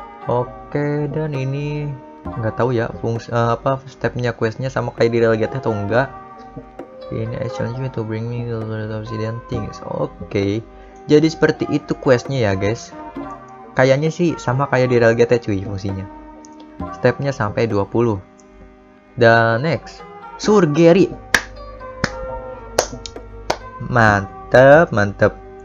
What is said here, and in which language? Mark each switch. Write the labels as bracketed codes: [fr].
[id] Oke, dan ini nggak tahu ya fungsi apa stepnya questnya sama kayak di Real GTA atau enggak. Ini [en] I challenge you to bring me the little obsidian things. [id] Oke. Jadi seperti itu questnya ya guys. Kayaknya sih sama kayak di Real GTA cuy fungsinya. Stepnya sampai 20. Dan next, Surgery. Mantap, mantap.